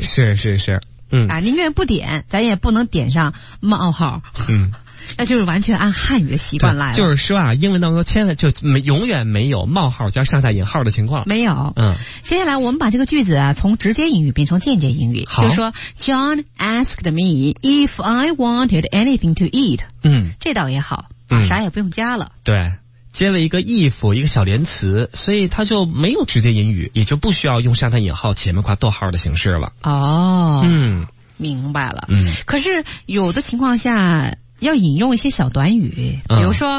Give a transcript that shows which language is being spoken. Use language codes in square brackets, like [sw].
[zh] 是是是，嗯啊，宁愿不点咱也不能点上冒号。嗯，那就是完全按汉语的习惯来了。就是说啊，英文当中千万就没永远没有冒号加上下引号的情况。没有。嗯，接下来我们把这个句子啊从直接引语变成间接引语。好， [en] 就说 John asked me if I wanted anything to eat。 [zh] 嗯，这倒也好、嗯、啥也不用加了。对，接了一个 if 一个小连词，所以它就没有直接引语，也就不需要用上下引号前面挂逗号的形式了。哦，嗯，明白了。嗯，可是有的情况下要引用一些小短语，比如说、